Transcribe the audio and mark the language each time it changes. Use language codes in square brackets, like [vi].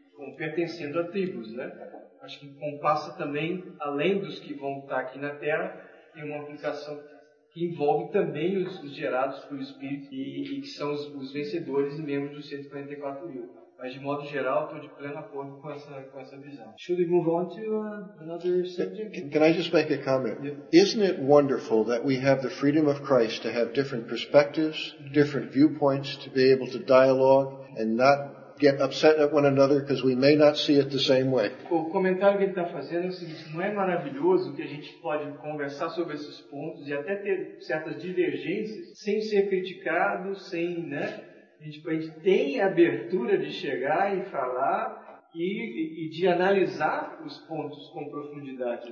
[pt] Como pertencendo a tribos, né? Acho que compassa também, além dos que vão estar aqui na Terra, tem uma aplicação que envolve também os gerados pelo Espírito e que são os vencedores e membros dos 144 mil. Mas, de modo geral, estou de pleno acordo com essa visão. [en] Should we move on to another subject? Can I just make a comment? Yeah. Isn't it wonderful that we have the freedom of Christ to have different perspectives, different viewpoints, to be able to dialogue and not get upset at one another because we may not see it the same way. [pt] O comentário que ele está fazendo é o seguinte: não é maravilhoso que a gente pode conversar sobre esses pontos e até ter certas divergências sem ser criticado, sem, né? A gente tem a abertura de chegar e falar e de analisar os pontos com profundidade.